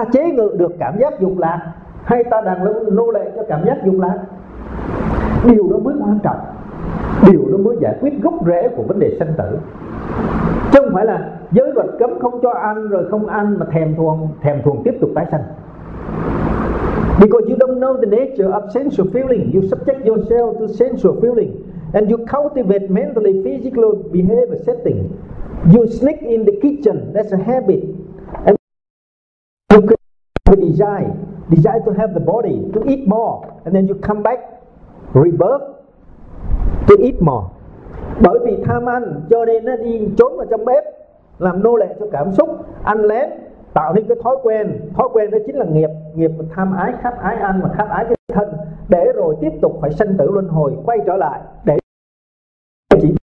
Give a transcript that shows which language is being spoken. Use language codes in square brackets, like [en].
[vi] chế ngự được cảm giác dục lạc hay ta đang nô lệ cho cảm giác dục lạc? Điều đó mới quan trọng, điều đó mới giải quyết gốc rễ của vấn đề sanh tử. Chứ không phải là giới luật cấm không cho ăn rồi không ăn mà thèm thuồng tiếp tục tái sanh. [en] Because you don't know the nature of sensual feeling, you subject yourself to sensual feeling and you cultivate mentally, physically, behavior setting. You sneak in the kitchen, that's a habit. And you create a desire to have the body, to eat more. And then you come back, rebirth, to eat more. [vi] Bởi vì tham ăn cho nên nó đi trốn vào trong bếp, làm nô lệ cho cảm xúc, ăn lén, tạo nên cái thói quen đó chính là nghiệp, nghiệp tham ái, khát ái ăn và khát ái cái thân, để rồi tiếp tục phải sanh tử luân hồi quay trở lại để chỉ